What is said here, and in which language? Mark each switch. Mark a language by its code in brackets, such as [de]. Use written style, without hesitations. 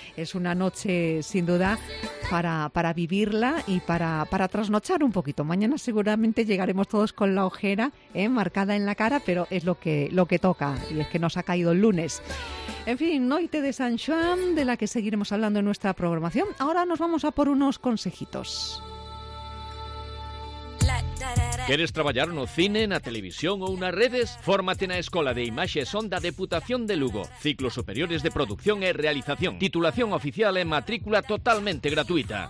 [es] Es una noche sin duda para vivirla y para trasnochar un poquito. Mañana seguramente llegaremos todos con la ojera marcada en la cara, pero es lo que toca, y es que nos ha caído el lunes. En fin, noite de San Juan, de la que seguiremos hablando en nuestra programación. Ahora nos vamos a por unos consejitos. [gl] ¿Queres traballar no cine, na televisión ou nas redes? Fórmate na Escola de Imaxe e Son da Deputación de Lugo. Ciclos superiores de producción e realización. Titulación oficial e matrícula totalmente gratuita.